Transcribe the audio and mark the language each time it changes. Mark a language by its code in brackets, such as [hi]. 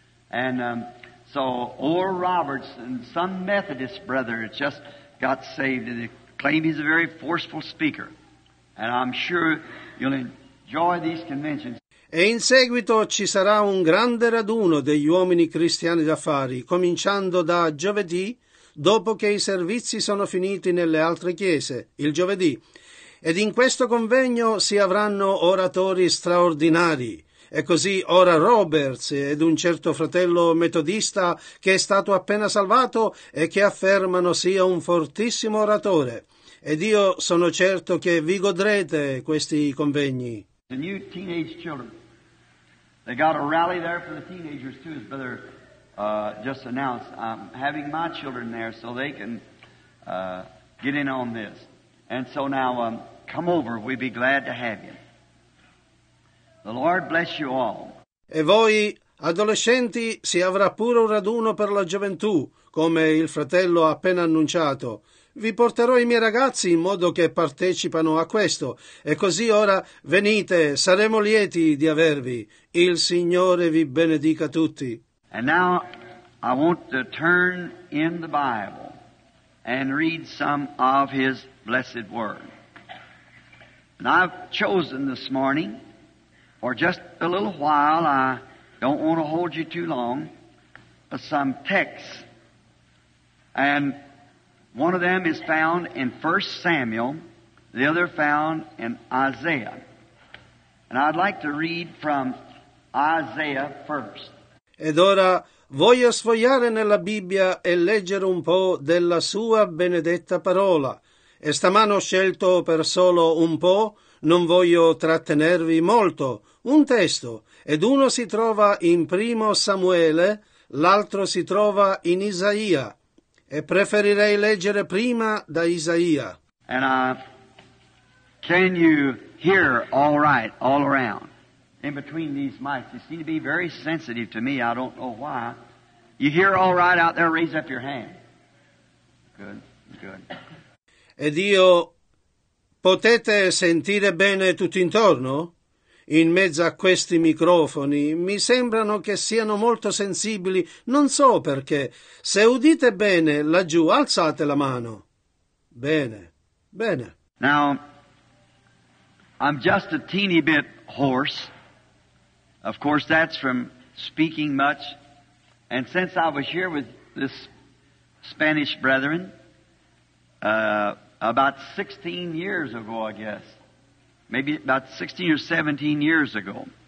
[en] And so Oral Roberts and some Methodist brother just got saved and they claim he's a very forceful speaker. And I'm sure you'll enjoy these conventions. [it] E in seguito ci sarà un grande raduno degli uomini cristiani d'affari, cominciando da giovedì, dopo che i servizi sono finiti nelle altre chiese, il giovedì. Ed in questo convegno si avranno oratori straordinari. E così ora Roberts ed un certo fratello metodista che è stato appena salvato e che affermano sia un fortissimo oratore. Ed io sono certo che vi godrete questi convegni. [en] The new teenage children. They got a rally there for the teenagers too, his brother just announced. I'm having my children there so they can get in on this. And so now come over, we'd be glad to have you. The Lord bless you all. [it] E voi, adolescenti, si avrà pure un raduno per la gioventù, come il fratello ha appena annunciato. Vi porterò i miei ragazzi in modo che partecipano a questo. E così ora venite, saremo lieti di avervi. Il Signore vi benedica tutti. [en] And now I want to turn in the Bible and read some of His blessed word. And I've chosen this morning, for just a little while, I don't want to hold you too long, but some texts. And one of them is found in 1 Samuel, the other found in Isaiah. And I'd like to read from Isaiah first. [it] Ed ora voglio sfogliare nella Bibbia e leggere un po' della sua benedetta parola. E stamane ho scelto per solo un po', non voglio trattenervi molto. Un testo, ed uno si trova in Primo Samuele, l'altro si trova in Isaia, e preferirei leggere prima da Isaia. [en] And can you hear all right, all around, in between these mics? You seem to be very sensitive to me, I don't know why. You hear all right out there, raise up your hand. Good, good. [it] Ed io, potete sentire bene tutto intorno? In mezzo a questi microfoni mi sembrano che siano molto sensibili, non so perché. Se udite bene laggiù, alzate la mano. Bene, bene. [en] Now, I'm just a teeny bit hoarse. Of course, that's from speaking much. And since I was here with this Spanish brethren, about 16 years ago, I guess, maybe about 16 or 17 years ago.